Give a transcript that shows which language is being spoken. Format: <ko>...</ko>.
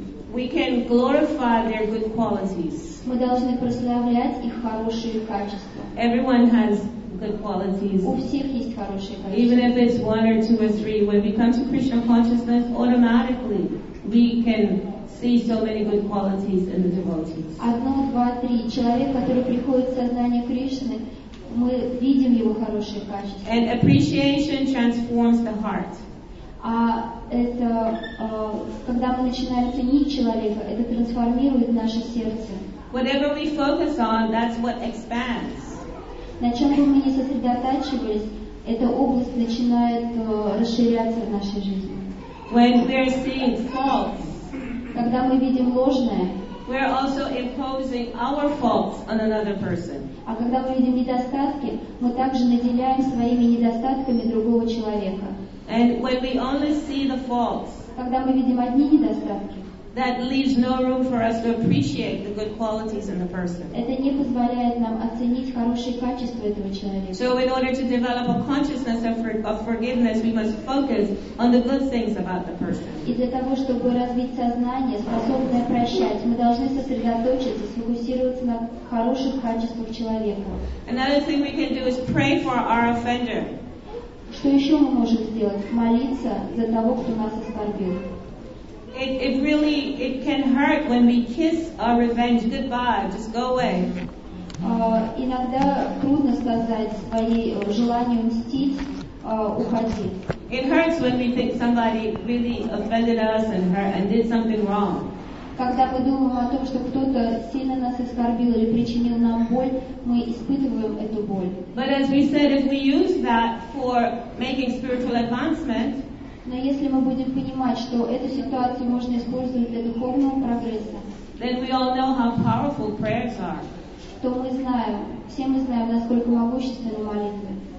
<en>We can glorify their good qualities.</en> <ru>Мы должны прославлять их хорошие качества.</ru> <en>Everyone has good qualities.</en> <ru>У всех есть хорошие качества.</ru> <en>Even if it's one or two or three, when we come to Krishna consciousness, automatically we can see so many good qualities in the devotees.</en> <ru>Одно, два, три. Человек, который приходит в сознание Кришны, мы видим его хорошие качества.</ru> <en>And appreciation transforms the heart.</en> <ru>А это когда мы начинаем ценить человека, это трансформирует наше сердце.</ru> <en>Whatever we focus on, that's what expands.</en> <ru>На чем бы мы ни сосредотачивались, эта область начинает расширяться в нашей жизни.</ru> <en>When we are seeing faults,</en> <ru>когда мы видим ложное,</ru> <en>we are also imposing our faults on another person.</en> <ru>А когда мы видим недостатки, мы также наделяем своими недостатками другого человека.</ru> <en>And when we only see the faults,</en> <ru>когда мы видим одни недостатки,</ru> <en>that leaves no room for us to appreciate the good qualities in the person.</en> <ru>Это не позволяет нам оценить хорошие качества этого человека.</ru> <en>So in order to develop a consciousness of forgiveness, we must focus on the good things about the person.</en> <ru>И для того, чтобы развить сознание, способное прощать, мы должны сосредоточиться, сфокусироваться на хороших качествах человека.</ru> <en>Another thing we can do is pray for our offender.</en> <ru>Что еще мы можем сделать? Молиться за того, кто нас оскорбил.</ru> <en>It can hurt when we kiss our revenge goodbye. Just go away.</en> <ru>Иногда трудно сказать свои желания мстить, уходи.</ru> <en>It hurts when we think somebody really offended us and hurt and did something wrong.</en> <ru>Когда мы думаем о том, что кто-то сильно нас оскорбил или причинил нам боль, мы испытываем эту боль.</ru> <en>But as we said, if we use that for making spiritual advancement,</en> <ru>но если мы будем понимать, что эту ситуацию можно использовать для духовного прогресса,</ru> <en>then we all know how powerful prayers are.</en> <ru>То мы знаем, все мы знаем, насколько могущественны молитвы.</ru>